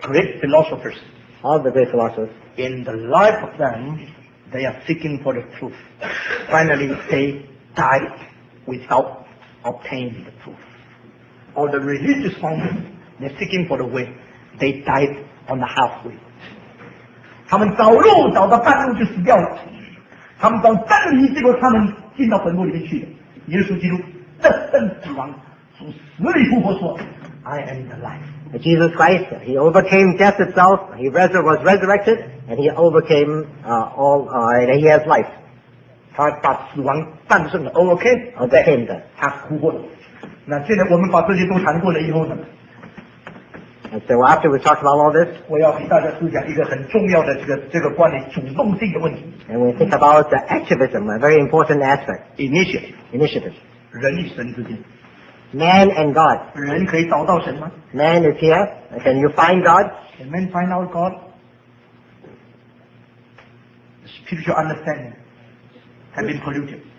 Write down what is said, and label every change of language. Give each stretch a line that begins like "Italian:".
English: Great philosophers. All the great philosophers. In the life of them, they are seeking for the truth. Finally, they died without obtaining the truth. All the religious founders, they're seeking for the way. They died on the halfway.
Chinese: 他们找路找到半路就死掉了。他们找真理，结果他们进到坟墓里面去了。耶稣基督得胜死亡，从死里复活说
English: I am the life。 Jesus Christ, He overcame death itself, He was resurrected, and He overcame and He has life.
Chinese: 他把死亡战胜了 overcame 的他哭过了那现在我们把这些都谈过了以后呢
English: And so after we talk about all this,
Chinese: 我要给大家思想一个很重要的这个关于主动性的问题
English: And we think about the activism, a very important aspect.
Chinese: Initiative. 人与神之间
English: Man and God.
Chinese: 人可以找到神吗?
English: Man is here. Can you find God? Can men find out God? Spiritual understanding has been polluted.